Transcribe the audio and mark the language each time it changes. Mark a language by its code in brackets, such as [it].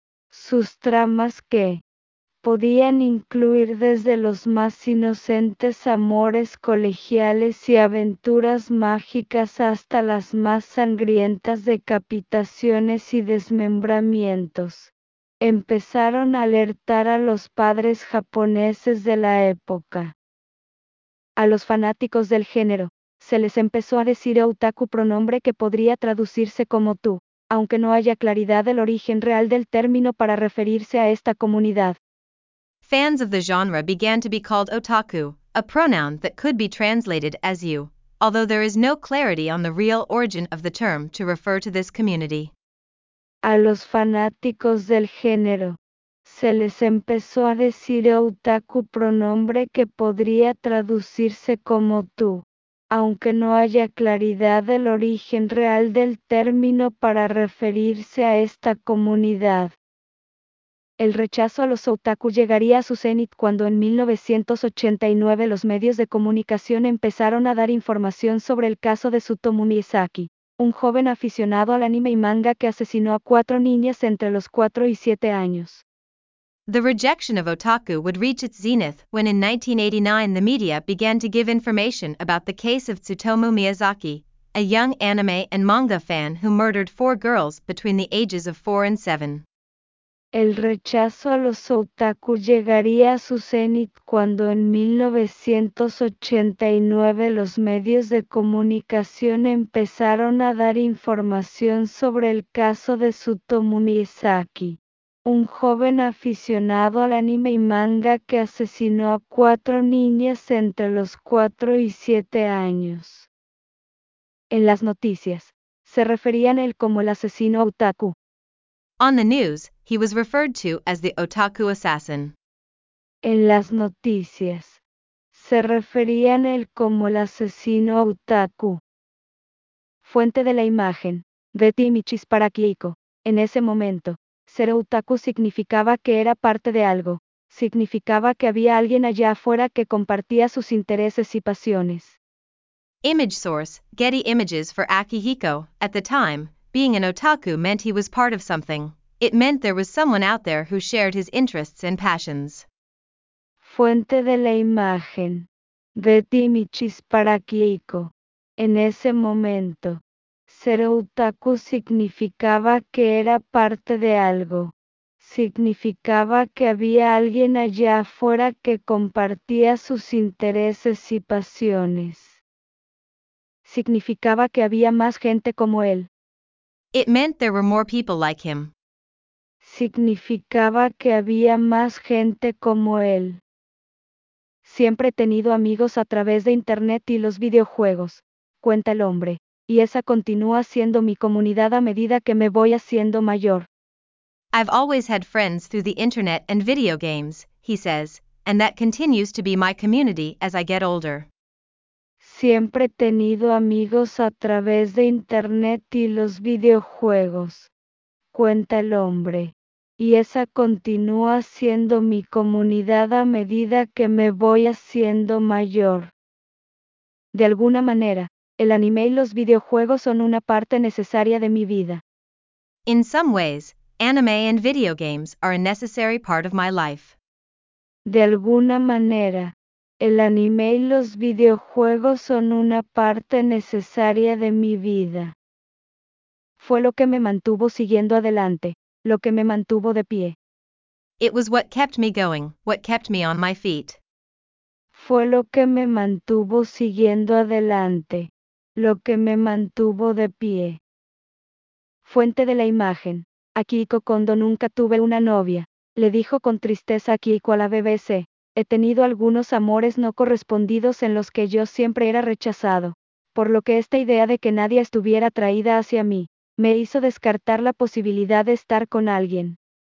[es] Sus tramas que podían incluir desde los más inocentes amores colegiales y aventuras mágicas hasta las más sangrientas decapitaciones y desmembramientos. Empezaron a alertar a los padres japoneses de la época. A los fanáticos del género, se les empezó a decir otaku, pronombre que podría traducirse como tú, aunque no haya claridad del origen real del término para referirse a esta comunidad. [en] Fans of the genre began to be called otaku, a pronoun that could be translated as you, although there is no clarity on the real origin of the term to refer to this community. [es] A los fanáticos del género, se les empezó a decir otaku, pronombre que podría traducirse como tú, aunque no haya claridad del origen real del término para referirse a esta comunidad. El rechazo a los otaku llegaría a su cenit cuando en 1989 los medios de comunicación empezaron a dar información sobre el caso de Tsutomu Miyazaki, un joven aficionado al anime y manga que asesinó a cuatro niñas entre los 4 y 7 años. [en] The rejection of otaku would reach its zenith when in 1989 the media began to give information about the case of Tsutomu Miyazaki, a young anime and manga fan who murdered four girls between the ages of 4 and 7. [es] El rechazo a los otaku llegaría a su cenit cuando en 1989 los medios de comunicación empezaron a dar información sobre el caso de Tsutomu Miyazaki, un joven aficionado al anime y manga que asesinó a cuatro niñas entre los 4 y 7 años. En las noticias, se referían a él como el asesino otaku. [en] On the news, he was referred to as the otaku assassin. [es] En las noticias, se referían él como el asesino otaku. Fuente de la imagen, Betty Michis para Kiiko. En ese momento, ser otaku significaba que era parte de algo, significaba que había alguien allá afuera que compartía sus intereses y pasiones. [en] Image source, Getty Images for Akihiko, at the time. Being an otaku meant he was part of something. It meant there was someone out there who shared his interests and passions. [es] Fuente de la imagen. Betty Michis para Kiiko. En ese momento, ser otaku significaba que era parte de algo. significaba que había alguien allá afuera que compartía sus intereses y pasiones. Significaba que había más gente como él. [en] It meant there were more people like him. [es] Significaba que había más gente como él. Siempre he tenido amigos a través de Internet y los videojuegos, cuenta el hombre, y esa continúa siendo mi comunidad a medida que me voy haciendo mayor. [en] I've always had friends through the Internet and video games, he says, and that continues to be my community as I get older. [es] Siempre he tenido amigos a través de Internet y los videojuegos, cuenta el hombre. Y esa continúa siendo mi comunidad a medida que me voy haciendo mayor. De alguna manera, el anime y los videojuegos son una parte necesaria de mi vida. [en] In some ways, anime and video games are a necessary part of my life. [es] De alguna manera, el anime y los videojuegos son una parte necesaria de mi vida. Fue lo que me mantuvo siguiendo adelante, lo que me mantuvo de pie. [en] It was what kept me going, what kept me on my feet. [es] Fue lo que me mantuvo siguiendo adelante, lo que me mantuvo de pie. Fuente de la imagen. Akiko Kondo, nunca tuve una novia, le dijo con tristeza Akiko a la BBC. He tenido algunos amores no correspondidos en los que yo siempre era rechazado, por lo que esta idea de que nadie estuviera atraída hacia mí, me hizo descartar la posibilidad de estar con alguien.